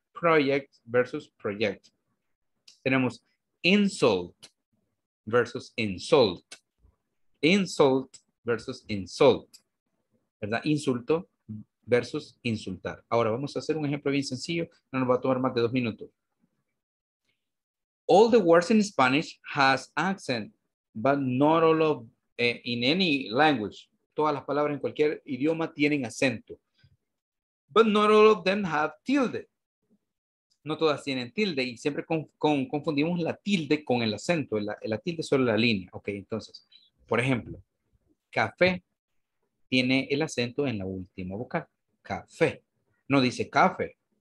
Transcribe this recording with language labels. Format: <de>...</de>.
<en>Project versus project.</en> <es>Tenemos</es> <en>insult versus insult. Insult versus insult. ¿Verdad?</en> <es>Insulto versus insultar. Ahora vamos a hacer un ejemplo bien sencillo. No nos va a tomar más de 2 minutos.</es> <en>All the words in Spanish has accent, but not all of in any language.</en> <es>Todas las palabras en cualquier idioma tienen acento.</es> <en>But not all of them have tilde.</en> <es>No todas tienen tilde y siempre confundimos la tilde con el acento. La tilde es solo la línea. Ok, entonces, por ejemplo, café tiene el acento en la última vocal. Café. No dice café.</es>